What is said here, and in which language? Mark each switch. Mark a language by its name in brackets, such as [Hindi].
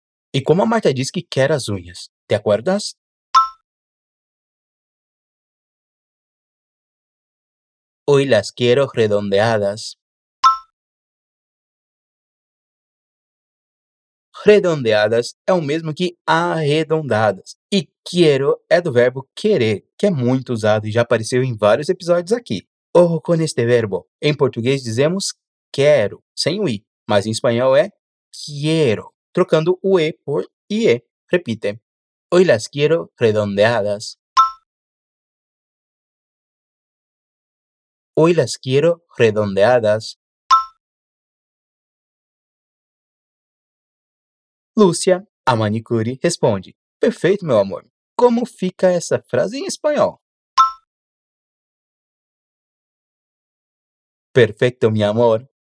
[Spanish] Y como Marta dice que quiere las uñas, ¿te acuerdas? Hoy las quiero redondeadas. [Portuguese] Redondeadas é o mesmo que arredondadas. E quero é do verbo querer, que é muito usado e já apareceu em vários episódios aqui. [Spanish] Ojo con este verbo. [Portuguese] Em português dizemos quero, sem o i, mas em espanhol é quiero, trocando o e por ie. [Spanish] Repite. Hoy las quiero redondeadas. Hoy las quiero redondeadas. [Portuguese] Lúcia, a manicure, responde: Perfeito, meu amor. Como fica essa frase em espanhol? Perfeito, meu amor.